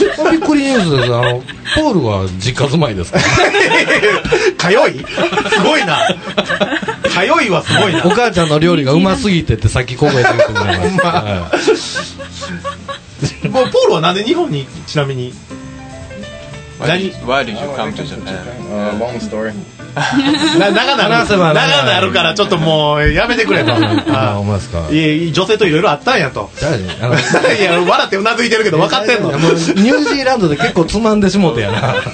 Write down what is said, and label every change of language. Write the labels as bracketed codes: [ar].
[ja] びっくりニュースです。あの、ポールは実家住まいですか。通い、すごいな。通いはすごいな。お母ちゃんの料理がうますぎてってさっき公言ってくれました。まあ、ポールはなんで日本に、ちなみに。 [en] Why did you come to Japan? Long story. [ja] 長なる、ね、長なるからちょっともうやめてくれと。あ、思いますか。いい、女性といろいろあったんやと。大丈夫。いや、笑ってうなずいてるけど分かってんの。もうニュージーランドで結構つまんでしもうてやな。